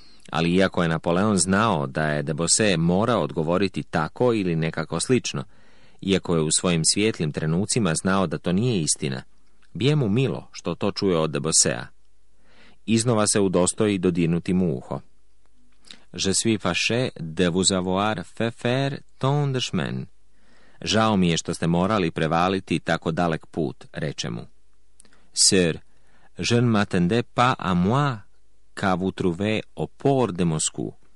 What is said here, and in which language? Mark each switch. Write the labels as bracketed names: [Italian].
[Croatian] Ali iako je Napoleon znao da je de Bosse morao odgovoriti tako ili nekako slično, iako je u svojim svjetlim trenucima znao da to nije istina, bije mu milo što to čuje od de Bossea. Iznova se udostoji dodirnuti mu uho. [French] Je suis fâché de vous avoir fait faire tant de chemin. [Croatian] Žao mi je što ste morali prevaliti tako dalek put, reče mu. [French] Sir, je ne m'attendais pas à moi qu'à vous trouver au port de Moscou.